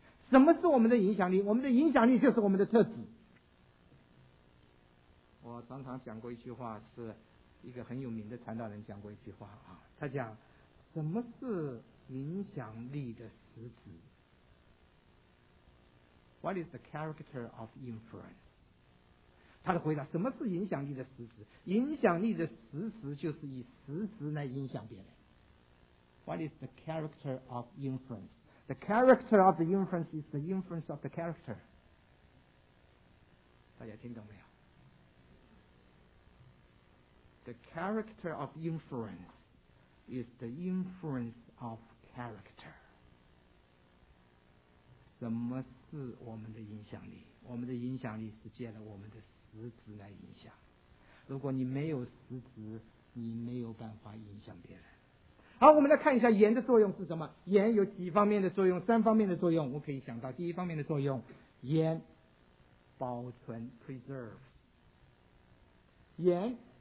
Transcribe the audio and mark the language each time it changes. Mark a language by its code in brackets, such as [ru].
[zh] 什么是我们的影响力？我们的影响力就是我们的特质。我常常讲过一句话，是一个很有名的传道人讲过一句话啊。他讲什么是影响力的实质？ [en] What is the character of influence？ [zh] 他的回答，什么是影响力的实质？影响力的实质就是以实质来影响别人。 [en] What is the character of influence？ The character of the influence is the influence of the character. [zh] 大家听懂没有？ [en] The character of influence is the influence of character. [zh] 什么是我们的影响力？我们的影响力是借了我们的实质来影响。如果你没有实质，你没有办法影响别人。好，我们来看一下盐的作用是什么。盐有几方面的作用？三方面的作用。我可以想到第一方面的作用，盐保存 preserve， 盐